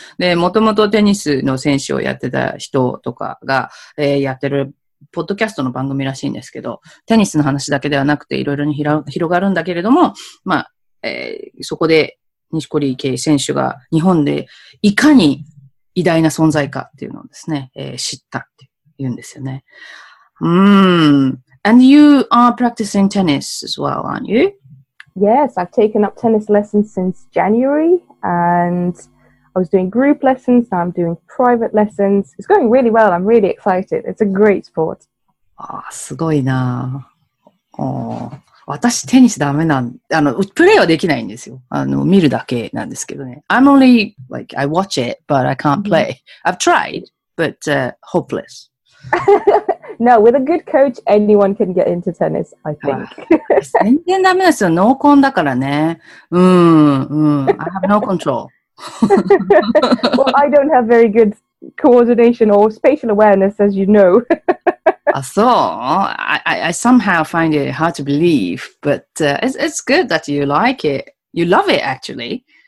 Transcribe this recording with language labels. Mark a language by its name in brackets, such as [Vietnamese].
[Japanese] で、もともとテニスの選手をやってた人とかが、やってるポッドキャストの番組らしいんですけど、テニスの話だけではなくて、いろいろに広がるんだけれども、まあ、そこで錦織圭選手が日本でいかに偉大な存在かっていうのをですね、知ったって言うんですよね。 [English] And you are practicing tennis as well, aren't you? Yes, I've taken up tennis lessons since January, and I was doing group lessons, now I'm doing private lessons. It's going really well, I'm really excited. It's a great sport. [Japanese] ああ、すごいな。私テニスダメなん、プレイはできないんですよ。見るだけなんですけどね。 [English] I'm only, like, I watch it, but I can't play. I've tried, but, hopeless. No, with a good coach, anyone can get into tennis, I think. [Japanese] 全然ダメですよ。ノーコンだからね。 [English] I have no control. Well, I don't have very good coordination or spatial awareness, as you know. So, I somehow find it hard to believe, but it's good that you like it. You love it, actually.